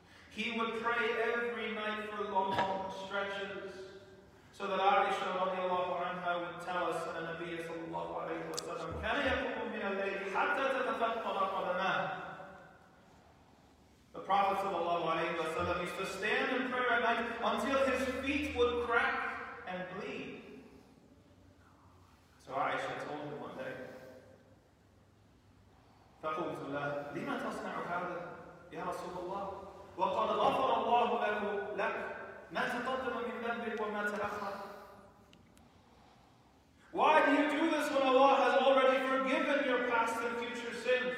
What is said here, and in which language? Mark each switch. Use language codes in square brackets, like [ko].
[en] He would pray every night for long stretches, so that Aisha radiallahu anha would tell us that the Nabi sallallahu alayhi wa sallam, [ar] كَانَ يَقُمُ مِنَ اللَّيْلِ حَتَّى تَتَفَقَّرَ قَدَمَاهُ. [en] The Prophet used to stand in prayer at night until his feet would crack and bleed. So Aisha told him one day, [ar] فَقُلْتُ لَهُ لِمَا تَصْنَعُ هَذَا يَا رَسُولَ اللَّهِ وَقَدْ غَفَرَ اللَّهُ لَهُ لَكَ مَا تَقَدَّمَ مِنْ ذَنْبِكَ وَمَا تَأَخَّرَ. [en] Why do you do this when Allah has already forgiven your past and future sins?